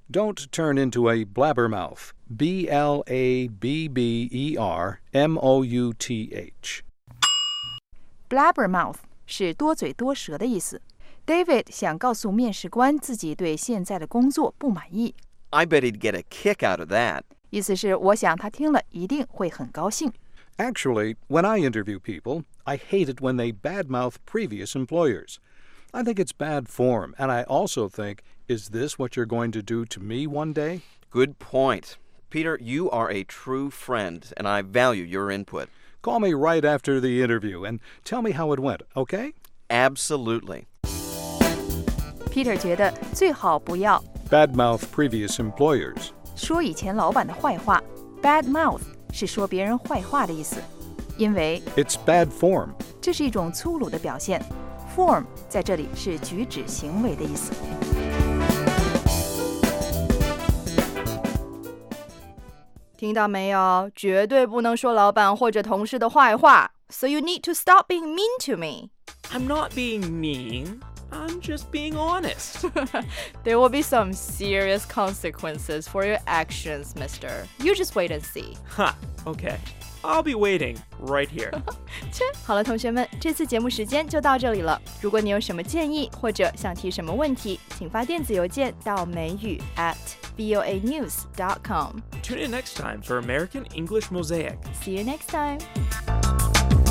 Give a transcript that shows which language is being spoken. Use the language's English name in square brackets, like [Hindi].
[English] Don't turn into a blabbermouth. B-L-A-B-B-E-R-M-O-U-T-H. [Chinese] Blabbermouth 是多嘴多舌的意思。David 想告诉面试官自己对现在的工作不满意。 [English] I bet he'd get a kick out of that. [Chinese] 意思是我想他听了一定会很高兴。 [English] Actually, when I interview people, I hate it when they badmouth previous employers. I think it's bad form, and I also think, is this what you're going to do to me one day? Good point. Peter, you are a true friend, and I value your input. Call me right after the interview and tell me how it went, okay? Absolutely. [Chinese] Peter 觉得最好不要 [English] badmouth previous employers [Chinese] 说以前老板的坏话 badmouth 是说别人坏话的意思因为 [English] it's bad form [Chinese] 这是一种粗鲁的表现 form 在这里是举止行为的意思听到没有绝对不能说老板或者同事的坏话 [English] so you need to stop being mean to me I'm not being meanI'm just being honest. There will be some serious consequences for your actions, mister. You just wait and see. Ha, okay. I'll be waiting right here. [Chinese] 好了，同学们，这次节目时间就到这里了。如果你有什么建议或者想提什么问题，请发电子邮件到美语@boanews.com. [English] Tune in next time for American English Mosaic. See you next time.